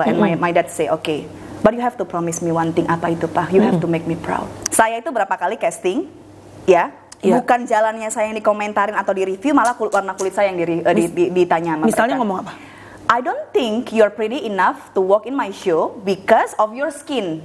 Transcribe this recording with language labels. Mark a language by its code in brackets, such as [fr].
[en] And my dad say, okay, but you have to promise me one thing. [id] Apa itu, Pak? [en] You have to make me proud. [id] Saya itu berapa kali casting, ya. Ya. Bukan jalannya saya yang dikomentarin atau di review, malah warna kulit saya yang ditanya sama misalnya mereka. Ngomong apa? [en] I don't think you're pretty enough to walk in my show because of your skin.